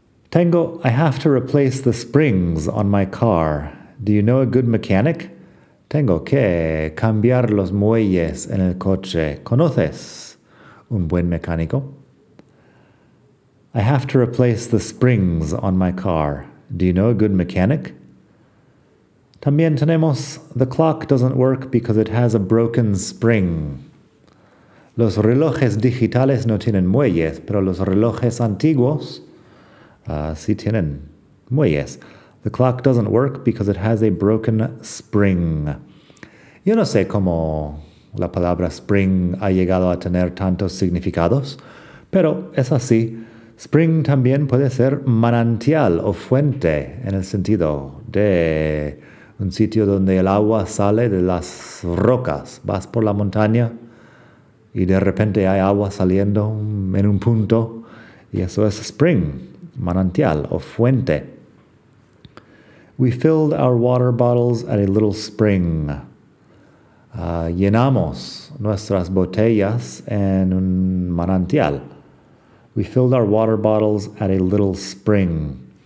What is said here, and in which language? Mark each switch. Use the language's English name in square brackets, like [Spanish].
[Spanish] Tengo, [English] I have to replace the springs on my car. Do you know a good mechanic? [Spanish] Tengo que cambiar los muelles en el coche. ¿Conoces un buen mecánico? [English] I have to replace the springs on my car. Do you know a good mechanic? [Spanish] También tenemos [English] the clock doesn't work because it has a broken spring. [Spanish] Los relojes digitales no tienen muelles, pero los relojes antiguos sí tienen muelles. [English] The clock doesn't work because it has a broken spring. [Spanish] Yo no sé cómo la palabra spring ha llegado a tener tantos significados, pero es así. Spring también puede ser manantial o fuente en el sentido de un sitio donde el agua sale de las rocas. Vas por la montaña y de repente hay agua saliendo en un punto y eso es spring, manantial o fuente. [English] We filled our water bottles at a little spring. [Spanish] Llenamos nuestras botellas en un manantial. [English] We filled our water bottles at a little spring.